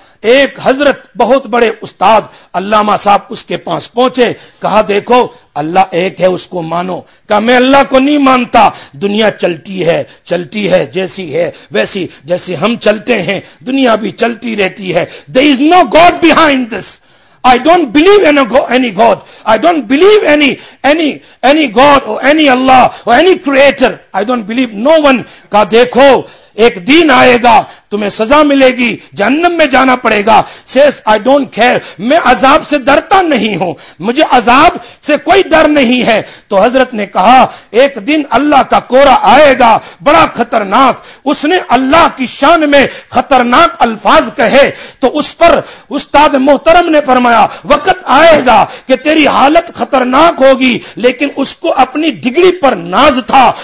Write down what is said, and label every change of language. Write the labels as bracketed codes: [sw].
[ur] ایک حضرت بہت بڑے استاد علامہ صاحب اس کے پاس پہنچے، کہا دیکھو اللہ ایک ہے اس کو مانو۔ کہا میں اللہ کو نہیں مانتا، دنیا چلتی ہے چلتی ہے، جیسی ہے ویسی، جیسے ہم چلتے ہیں دنیا بھی چلتی رہتی ہے۔ [en] There is no God behind this. I don't believe in any God. I don't believe any God or any Allah or any creator. I don't believe no one. [ur] کہا دیکھو ایک دین آئے گا تمہیں سزا ملے گی، جہنم میں جانا پڑے گا۔ [en] Says I don't care. [ur] میں عذاب سے ڈرتا نہیں ہوں، مجھے عذاب سے کوئی ڈر نہیں ہے۔ تو حضرت نے کہا ایک دن اللہ کا کورا آئے گا بڑا خطرناک، اس نے اللہ کی شان میں خطرناک الفاظ کہے، تو اس پر استاد محترم نے فرمایا وقت آئے گا کہ تیری حالت خطرناک ہوگی۔ لیکن اس کو اپنی ڈگری پر ناز تھا،